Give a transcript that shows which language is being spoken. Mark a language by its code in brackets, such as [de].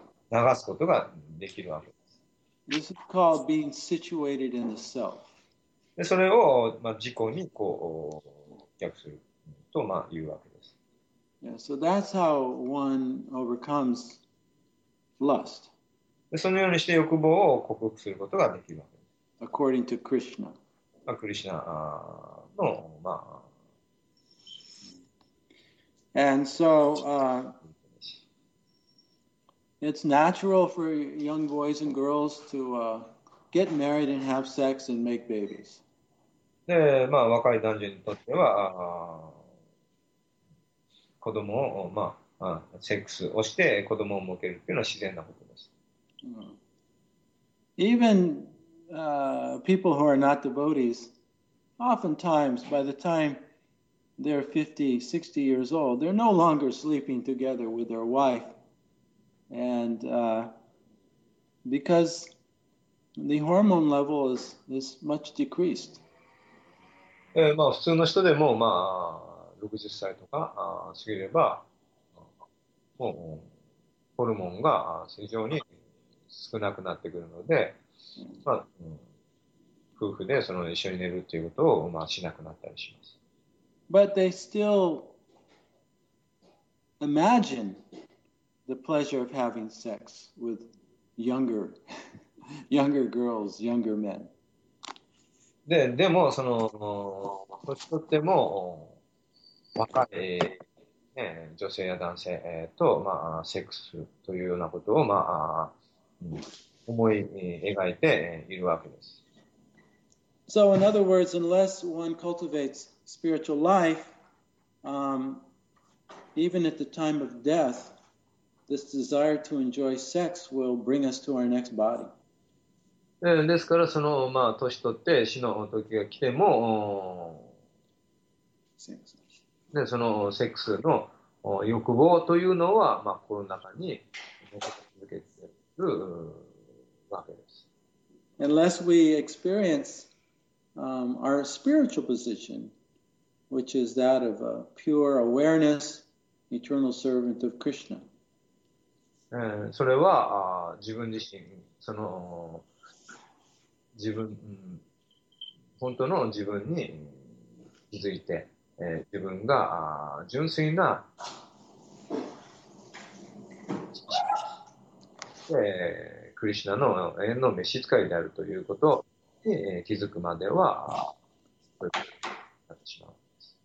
[ja] 流すことができるわけです。 [en] This is called being situated in the self. [ja] で、それを、まあ、自己にこう逆すると、まあ、言うわけです。 [en] Yeah, so that's how one overcomes lust. [ja] で、そのようにして欲望を克服することができるわけです。 [en] According to Krishna. [ja] まあ、クリシュナの、まあ、 [en] And so, It's natural for young boys and girls to get married and have sex and make babies. [ja] で、まあ、若い男女にとっては、子供を、まあ、セックスをして子供を設けるっていうのは自然なことです。 [en] Even people who are not devotees, oftentimes by the time they're 50, 60 years old, they're no longer sleeping together with their wife. And because the hormone level is much decreased. [ja] まあ普通の人でもまあ60歳とか過ぎればもうホルモンが非常に少なくなってくるので、まあ夫婦でその一緒に寝るということをまあしなくなったりします。 [en] But they still imagine. The pleasure of having sex with younger girls, younger men. [ja] で、でもその、年取っても若いね、女性や男性と、まあ、セックスというようなことを、まあ、思い描いているわけです。 [en] So in other words, unless one cultivates spiritual life, even at the time of death, this desire to enjoy sex will bring us to our next body. [ja] ですからその、まあ、年取って死の時が来てもでそのセックスの欲望というのは、まあ、この中に残り続けているわけです。 [en] Unless we experience our spiritual position, which is that of a pure awareness, eternal servant of Krishna. [ja] それは自分自身、その自分、本当の自分に気づいて、自分が純粋な、クリシュナの永遠の召使いであるということに気づくまでは、そういうことになってしまうんです。